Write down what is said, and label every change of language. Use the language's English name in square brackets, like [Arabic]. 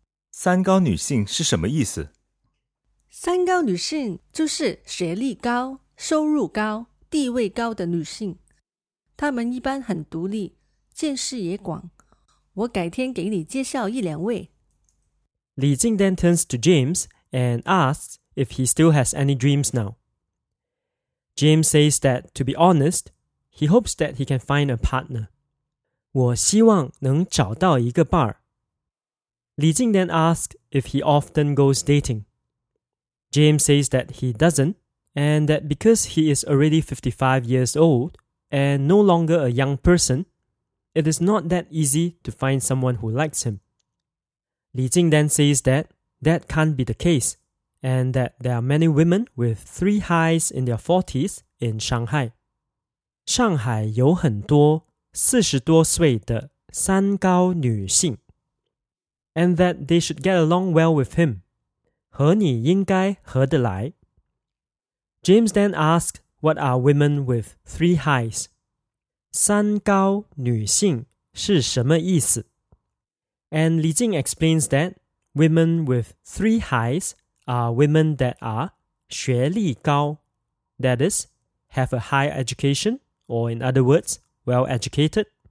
[Chinese] 三高女性是什么意思？三高女性就是学历高、收入高、地位高的女性，她们一般很独立，见识也广。我改天给你介绍一两位。 [English] 李静 then turns to James and asks if he still has any dreams now. James says that, to be honest, he hopes that he can find a partner. [Chinese] 我希望能找到一个伴儿。 [English] 李静 then asks if he often goes dating. James says that he doesn't, and that because he is already 55 years old and no longer a young person, it is not that easy to find someone who likes him. Li Jing then says that that can't be the case, and that there are many women with 3 highs in their 40s in Shanghai. [Chinese] 上海有很多40多岁的三高女性。 [English] And that they should get along well with him. [Chinese] 和你应该合得来。 [English] James then asks, what are women with 3 highs? [Chinese] 三高女性是什么意思? [English] And Li Jing explains that women with 3 highs are women that are 学历高, that is, have a high education, or in other words, well educated.